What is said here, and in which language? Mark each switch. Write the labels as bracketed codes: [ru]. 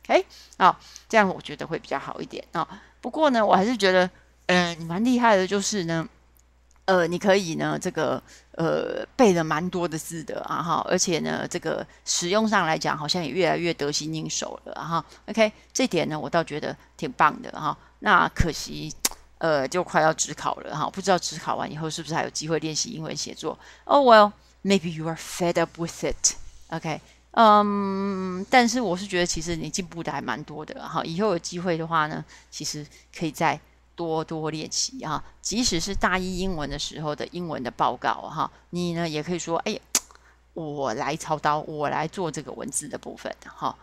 [zh] OK, 好，这样我觉得会比较好一点啊。不过呢，我还是觉得你蛮厉害的，就是呢你可以呢这个背了蛮多的字的啊，哈，而且呢这个使用上来讲好像也越来越得心应手了啊，哈。 OK, 这点呢我倒觉得挺棒的啊。那可惜就快要指考了啊，不知道指考完以后是不是还有机会练习英文写作。 [en] Oh well, maybe you are fed up with it. [zh] OK, 但是我是觉得其实你进步的还蛮多的啊，以后有机会的话呢，其实可以再多多练习啊，即使是大一英文的时候的英文的报告哈，你呢也可以说，哎，我来操刀，我来做这个文字的部分哈。